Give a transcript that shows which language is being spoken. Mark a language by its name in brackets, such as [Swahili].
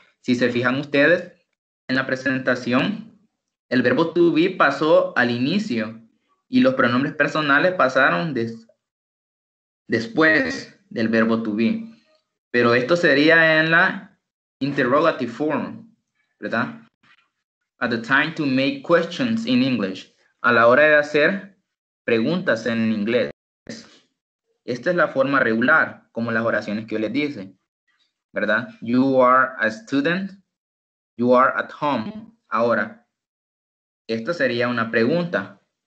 [Spanish] Si se fijan ustedes en la presentación, el verbo to be pasó al inicio y los pronombres personales pasaron después del verbo to be. Pero esto sería en la interrogative form, ¿verdad? [English] At the time to make questions in English. [Spanish] A la hora de hacer preguntas en inglés. Esta es la forma regular, como las oraciones que yo les dije, ¿verdad? [English] You are a student. You are at home. [Spanish] Ahora, esta sería una pregunta.